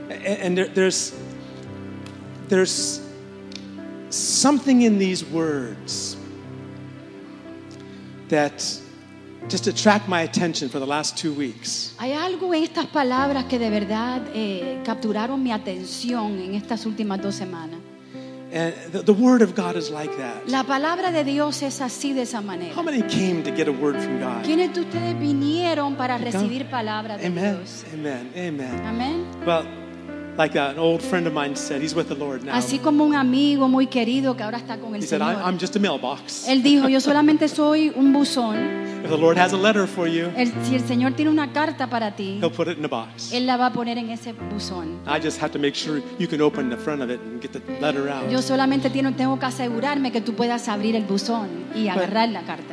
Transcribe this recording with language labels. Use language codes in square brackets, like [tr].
[en] And there's something in these words that just attract my attention for the last 2 weeks. [es] Hay algo en estas palabras que de verdad capturaron mi atención en estas últimas dos semanas. [en] And the word of God is like that. [es] La palabra de Dios es así de esa manera. [en] How many came to get a word from God? [es] ¿Quiénes de ustedes vinieron para recibir palabra de Dios? Amen. Amen. Amen. [en] Well, like an old friend of mine said, he's with the Lord now. [es] Así como un amigo muy querido que ahora está con el Señor. [en] He said, I'm just a mailbox. [es] Él dijo, yo solamente soy un buzón. [en] If the Lord has a letter for you, [es] si el Señor tiene una carta para ti, [en] He'll put it in a box. [es] Él la va a poner en ese buzón. [en] I just have to make sure you can open the front of it and get the letter out. [es] Yo solamente tengo que asegurarme que tú puedas abrir el buzón y agarrar la carta.